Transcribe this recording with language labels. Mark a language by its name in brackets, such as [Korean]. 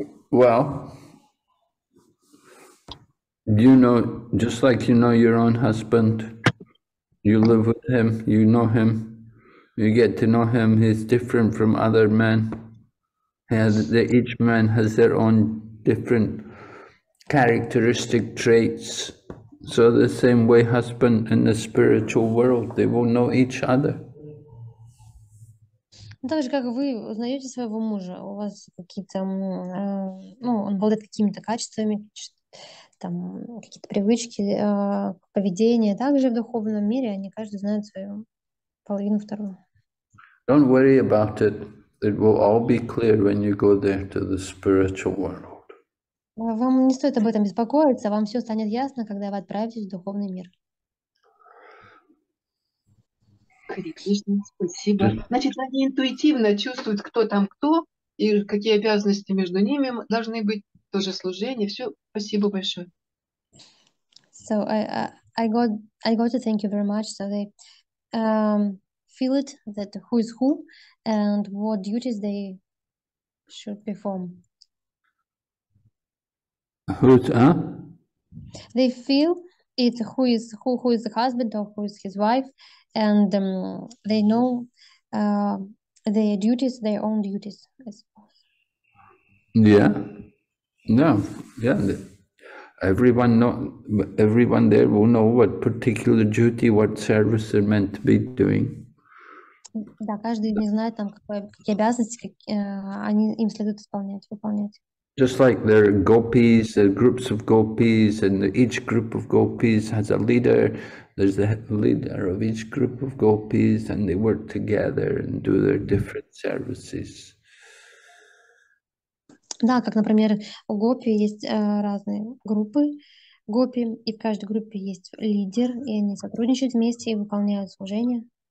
[English] Well, you know, just like you know your own husband, you live with him, you know him, you get to know him, he's different from other men. Each man has their own different characteristic traits. So the same way husband in the spiritual world, they will know each other. [Russian] Так же, как вы узнаете своего мужа, у вас какие-то, ну, он обладает какими-то качествами, там какие-то привычки, поведение. Также в духовном мире они каждый знает свою половину, вторую. [English] Don't worry about it. It will all be clear when you go there to the spiritual world. [Russian] Вам не стоит об этом беспокоиться. Вам все станет ясно, когда вы отправитесь в духовный мир. Конечно, спасибо. Значит, они интуитивно чувствуют, кто там кто и какие обязанности между ними должны быть. Тоже служение. Все, спасибо большое. [English] So I got to thank you very much. So they feel it that who is who and what duties they should perform. Who's They feel it who is the husband or who is his wife, and they know their duties, their own duties, I suppose. Yeah. No, yeah, everyone there will know what particular duty, what service they're meant to be doing. [Russian] Да, каждый не знает там какие обязанности, они им следует выполнять. [English] Just like there are gopis, there are groups of gopis, and each group of gopis has a leader. There's a leader of each group of gopis, and they work together and do their different services. [Russian] Да, как, например, у гопи есть разные группы гопи, и в каждой группе есть лидер, и они сотрудничают вместе и выполняют служение.